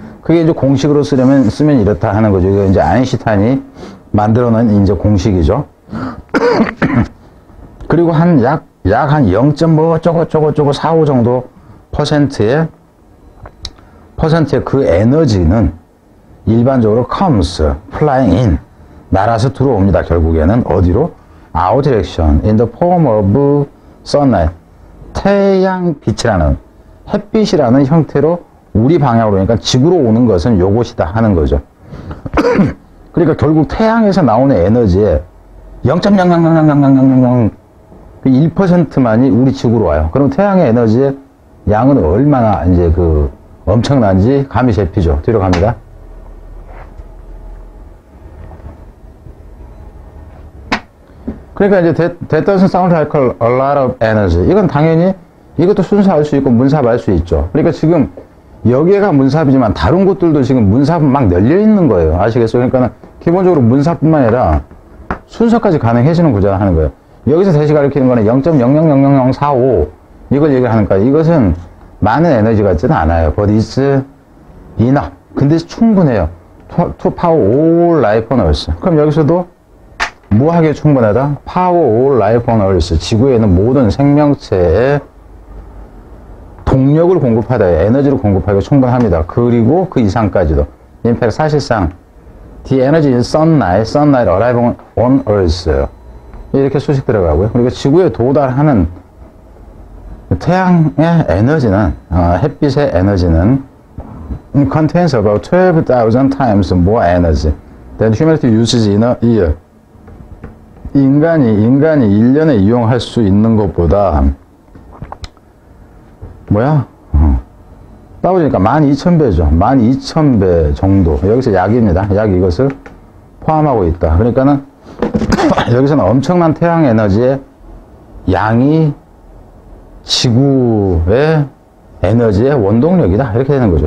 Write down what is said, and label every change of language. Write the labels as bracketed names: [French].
[Korean] 그게 이제 공식으로 쓰면 이렇다 하는 거죠. 이게 이제 아인슈타인이 만들어 놓은 이제 공식이죠. 그리고 약 한 0.45 정도 퍼센트의 그 에너지는 일반적으로 [English] comes flying in. [Korean] 날아서 들어옵니다. 결국에는 어디로? [English] Out direction in the form of sunlight. [Korean] 태양빛이라는, 햇빛이라는 형태로 우리 방향으로, 그러니까 지구로 오는 것은 요것이다 하는 거죠. 그러니까 결국 태양에서 나오는 에너지의 0.0001%만이 우리 지구로 와요. 그럼 태양의 에너지의 양은 얼마나 이제 그 엄청난지 감이 잡히죠. 뒤로 갑니다. 그러니까 이제 [English] that doesn't sound like a lot of energy. [Korean] 이건 당연히 이것도 순서할 수 있고 문사할 수 있죠. 그러니까 지금 여기가 문사이지만 다른 곳들도 지금 문사은 막 열려 있는 거예요. 아시겠어요? 그러니까 기본적으로 문사뿐만 아니라 순서까지 가능해지는 구조라 하는 거예요. 여기서 다시 가르치는 거는 0.000045 이걸 얘기하는 거예요. 이것은 많은 에너지 같지는 않아요. [English] But it's enough. [Korean] 근데 충분해요. [English] To power all life on earth. [Korean] 그럼 여기서도 무하게 충분하다. [English] Power all life on earth. [Korean] 지구에 있는 모든 생명체에 동력을 공급하다. 에너지를 공급하기 충분합니다. 그리고 그 이상까지도. [English] In fact, 사실상 the energy is sunlight. Sunlight arrive on earth. [Korean] 이렇게 수식 들어가고요. 그리고 지구에 도달하는 태양의 에너지는, 햇빛의 에너지는 [English] contains about 12,000 times more energy than humanity uses in a year. [Korean] 인간이 1년에 이용할 수 있는 것보다 뭐야? 따보니까 12,000배죠. 12,000배 정도. 여기서 약입니다. 약 이것을 포함하고 있다. 그러니까는 여기서는 엄청난 태양 에너지의 양이 지구의 에너지의 원동력이다. 이렇게 되는 거죠.